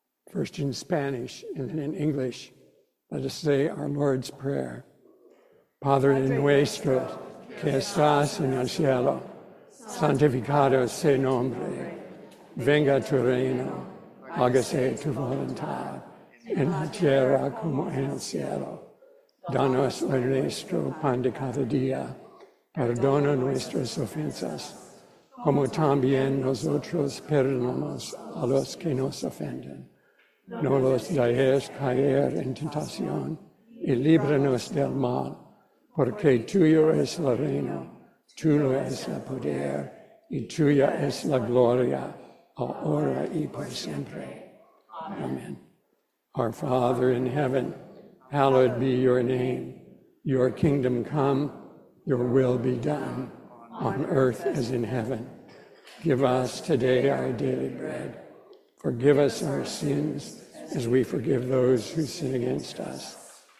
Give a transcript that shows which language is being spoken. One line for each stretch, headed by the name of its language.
English: First in Spanish and then in English, let us say our Lord's Prayer.
Spanish: Padre nuestro, que estás en el cielo, santificado sea nombre, venga tu reino, hágase tu voluntad, en la tierra como en el cielo. Danos hoy nuestro pan de cada día, perdona nuestras ofensas, como también nosotros perdonamos a los que nos ofenden. No los dejes caer en tentación, y líbranos del mal, porque tuyo es el reino, tuyo es el poder, y tuya es la gloria, ahora y por siempre. Amen.
English: Our Father in heaven, hallowed be your name. Your kingdom come, your will be done, on earth as in heaven. Give us today our daily bread. Forgive us our sins, as we forgive those who sin against us.